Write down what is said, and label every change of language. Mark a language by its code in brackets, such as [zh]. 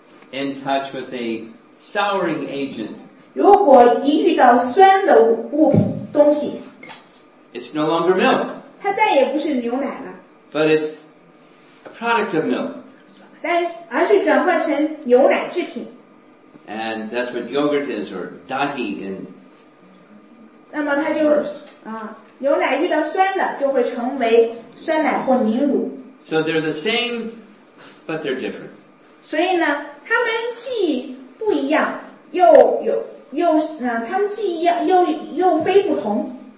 [en] In touch with a souring agent [zh] 如果一遇到酸的物品东西 [en] It's no longer milk [zh] 它再也不是牛奶了 [en] But it's a product of milk [zh] 但而是转换成牛奶制品 [en] And that's what yogurt is or dahi in [zh] 那么它就牛奶遇到酸的就会成为酸奶或凝乳 [en] So they're the same but they're different [zh] 所以呢它们既不一样又有又他们既一样又非不同